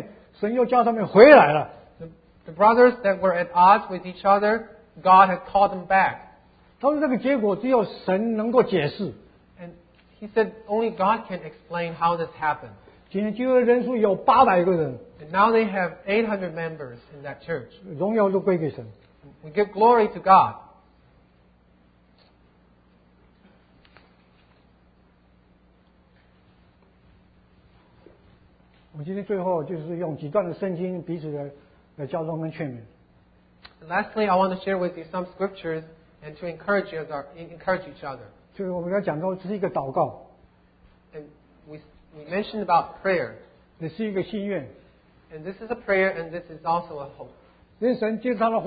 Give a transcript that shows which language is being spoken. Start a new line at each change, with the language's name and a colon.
Chinese: 因为教会分裂的弟兄姊妹离开弟兄姊妹，神又叫他们回来了。
English: The brothers that were at odds with each other, God has called them back.
Chinese: 他说这个结果只有神能够解释。
English: He said, only God can explain how this happened.
Chinese: 今天聚会人数有800个人,
English: and now they have 800 members in that church.
Chinese: 荣耀都归给神,
English: we give glory to God.
Chinese: 我们今天最后就是用几段的圣经彼此的教导跟劝勉。
English: Lastly, I want to share with you some scriptures and to encourage you, encourage each other.
Chinese: 就是我们要讲到这是一个祷告。
English: And we mentioned about prayer.
Chinese: 这是一个心愿。
English: And this is a prayer and this is also a hope.